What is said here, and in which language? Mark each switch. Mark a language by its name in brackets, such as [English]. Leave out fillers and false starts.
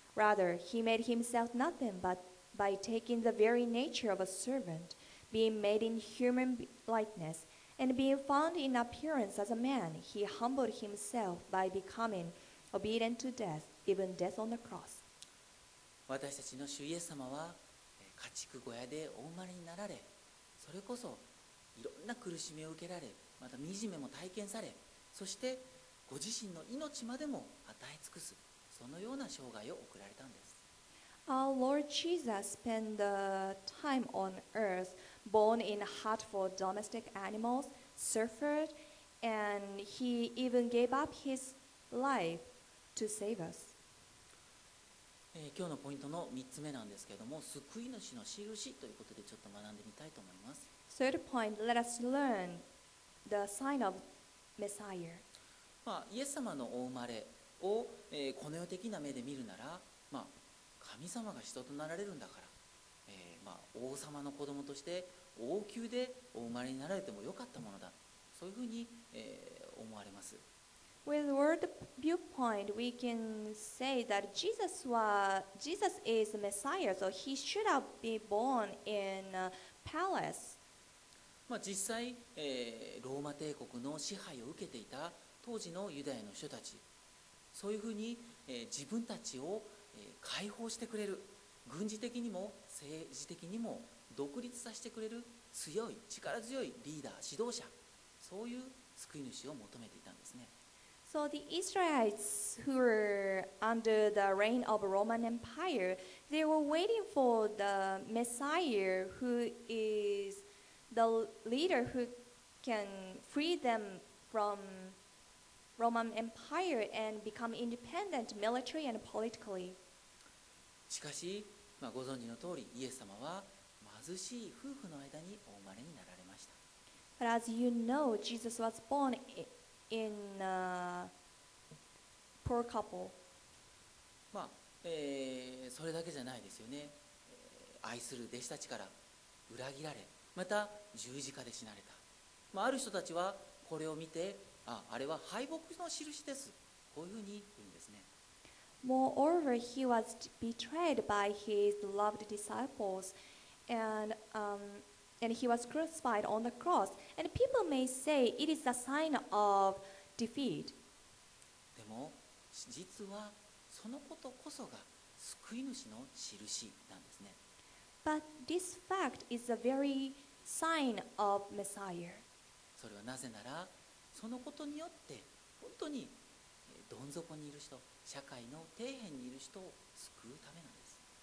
[English] Rather, he made himself nothing but by taking the very nature of a servant, being made in human likeness, and being found in appearance as a man, he humbled himself by becoming obedient to death, even death on the cross. [Japanese] 私たちの主イエス様は家畜小屋でお生まれになられ、それこそいろんな苦しみを受けられ、また惨めも体験され、そしてご自身の命までも与え尽くす、そのような生涯を送られたんです。 [English] Our Lord Jesus spent the time on earth, born in a hut for domestic animals, suffered, and he even gave up his life to save us. [Japanese] 今日のポイントの3つ目なんですけれども、救い主の印ということでちょっと学んでみたいと思います。 [English] Third point, let us learn the sign of Messiah、 [Japanese] まあ、イエス様のお生まれを、この世的な目で見るなら、まあ、神様が人となられるんだから、まあ、王様の子供として王宮でお生まれになられてもよかったものだ、そういうふうに、思われます。 [English] With world viewpoint, we can say that Jesus is the Messiah, so he should have been born in a palace. [Japanese] まあ実際、ローマ帝国の支配を受けていた当時のユダヤの人たち、そういうふうに、自分たちを、解放してくれる、軍事的にも政治的にも独立させてくれる強い力強いリーダー指導者、そういう救い主を求めていたんですね。 [English] So the Israelites who were under the reign of Roman Empire, they were waiting for the Messiah who is the leader who can free them from Roman Empire and become independent military and politically. [Japanese] しかし、まあ、ご存知の通り、イエス様は貧しい夫婦の間にお生まれになられました。 [English] But as you know, Jesus was born in a poor couple. [Japanese] まあ、それだけじゃないですよね。愛する弟子たちから裏切られ、また十字架で死なれた。まあ、ある人たちはこれを見て、あれは敗北の印です。こういうふうに言うんですね。 [English] Moreover, he was betrayed by his loved disciples, and he was crucified on the cross. And people may say it is a sign of defeat. [Japanese] でも実はそのことこそが救い主の印なんですね。 [English] But this fact is a very sign of Messiah. [Japanese] それはなぜなら、そのことによって本当にどん底にいる人、社会の底辺にいる人を救うためなんです。